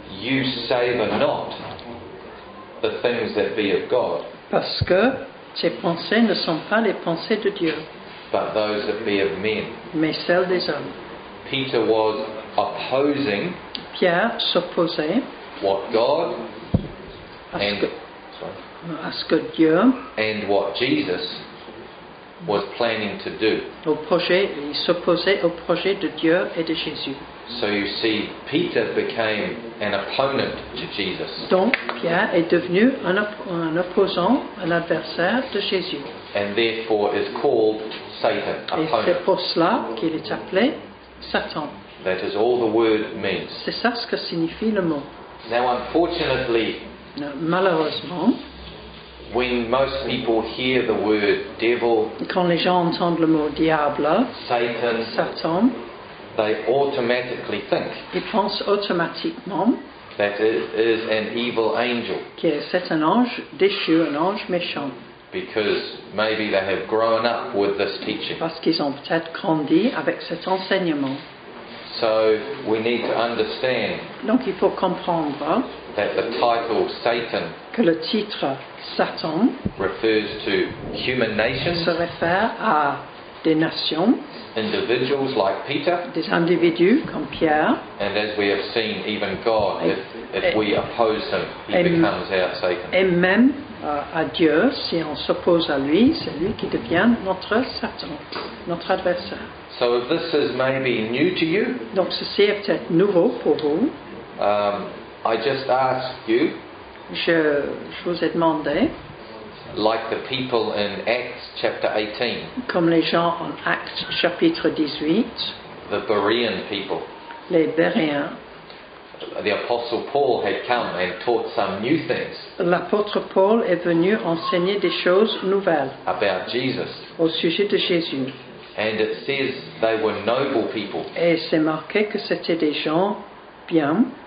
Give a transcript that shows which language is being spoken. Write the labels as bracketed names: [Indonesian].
[English] You savor not the things that be of God. [French] Parce que tes pensées ne sont pas les pensées de Dieu. [English] But those that be of men. [French] Mais celles des hommes. [English] Peter was opposing. [French] Pierre s'opposait. [English] What God. [French] À ce que Dieu. [English] And what Jesus was planning to do. [French] Au projet, il s'opposait au projet de Dieu et de Jésus. [English] So you see, Peter became an opponent to Jesus. [French] Donc, Pierre est devenu un opposant, un adversaire de Jésus. [English] And therefore is called Satan, opponent. [French] Et c'est pour cela qu'il est appelé Satan. [English] That is all the word means. [French] C'est ça ce que signifie le mot. [English] Now, unfortunately, [French] malheureusement, [English] when most people hear the word devil, [French] quand les gens entendent le mot diable, [English] Satan, they automatically think. [French] Ils pensent automatiquement [English] that it is an evil angel. [French] Que c'est un ange déchu, un ange méchant. [English] Because maybe they have grown up with this teaching. [French] Parce qu'ils ont peut-être grandi avec cet enseignement. [English] So we need to understand. [French] Donc il faut comprendre. [English] That the title Satan. [French] Que le titre Satan. [English] Refers to human nations. [French] Se réfère à des nations. [English] Individuals like Peter, [French] des individus comme Pierre, [English] and as we have seen, even God, if we oppose him, he becomes our Satan. [French] Et même à Dieu, si on s'oppose à lui, c'est lui qui devient notre Satan, notre adversaire. [English] So if this is maybe new to you, [French] donc ceci est peut-être nouveau pour vous. [English] I just ask you, [French] je vous ai demandé. [English] Like the people in Acts chapter 18. [French] Comme les gens en Actes chapitre 18. [English] The Berean people. [French] Les Béréens. [English] The apostle Paul had come and taught some new things. [French] L'apôtre Paul est venu enseigner des choses nouvelles. [English] About Jesus. [French] Au sujet de Jésus. [English] And it says they were noble people. [French] Et c'est marqué que c'était des gens bien.